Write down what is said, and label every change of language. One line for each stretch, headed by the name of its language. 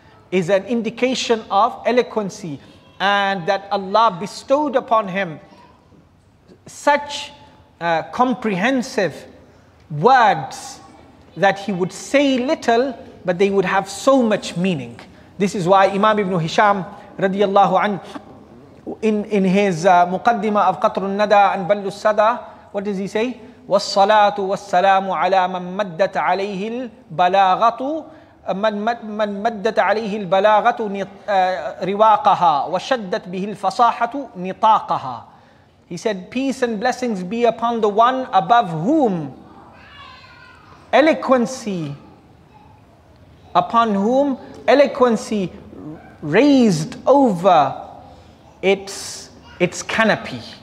English: Is an indication of eloquency. And that Allah bestowed upon him such comprehensive words that he would say little, but they would have so much meaning. This is why Imam Ibn Hisham radiallahu an, in his Muqaddimah of Qatr al-Nada and Ballu al-Sada, what does he say?
Arabic: Was salatu was salamu ala man maddat alayhi al-balaghatu من مدت عليه البلاغة رواقها وشدت به الفصاحة نطاقها.
English: He said, peace and blessings be upon the one above whom eloquency, upon whom eloquency raised over its canopy.